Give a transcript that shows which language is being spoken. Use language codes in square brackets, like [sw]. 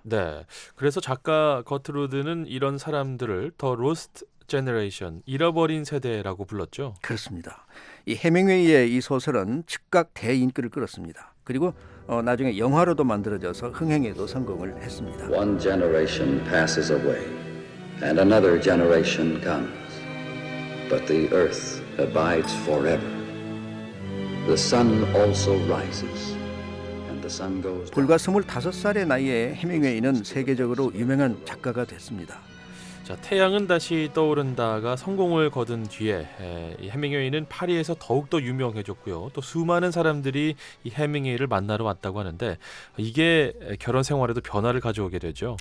[ko] 네. 그래서 작가 거트루드는 이런 사람들을 더 로스트 제너레이션, 잃어버린 세대라고 불렀죠. 그렇습니다. 이 헤밍웨이의 이 소설은 즉각 대인기를 끌었습니다. 그리고 나중에 영화로도 만들어져서 흥행에도 성공을 했습니다. [en] One generation passes away and another generation comes. But the earth abides forever. The sun also rises and the sun goes down. [ko] 불과 25살의 나이에 헤밍웨이는 세계적으로 유명한 작가가 됐습니다. 자, 태양은 다시 떠오른다가 성공을 거둔 뒤에 헤밍웨이는 파리에서 더욱더 유명해졌고요. 또 수많은 사람들이 이 헤밍웨이를 만나러 왔다고 하는데 이게 결혼 생활에도 변화를 가져오게 되죠.